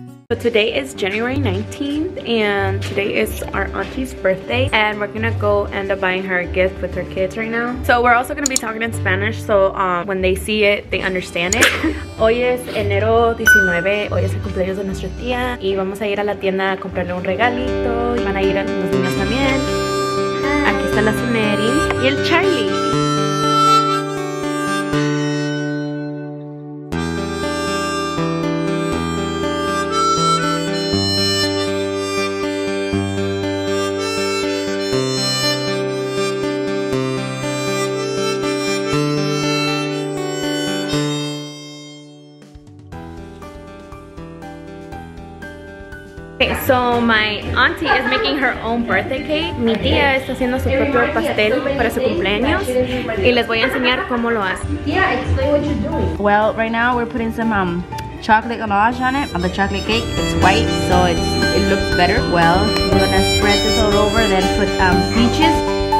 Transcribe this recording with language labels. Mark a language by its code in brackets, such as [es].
[en] So today is January 19th and today is our auntie's birthday and we're gonna go end up buying her a gift with her kids right now. So we're also gonna be talking in Spanish, so when they see it, they understand it. [es] Hoy es enero 19, hoy es el cumpleaños de nuestra tía y vamos a ir a la tienda a comprarle un regalito y van a ir a los niños también. Aquí están la Sumeri y el Charlie. [en] Okay, so my auntie is making her own birthday cake. [es] Mi tía está haciendo su propio pastel para su cumpleaños. Y les voy a enseñar cómo lo hace. [en] Yeah, explain what you're doing. Well, right now we're putting some chocolate ganache on it. On the chocolate cake, it's white, so it looks better. Well, we're gonna spread this all over, then put peaches.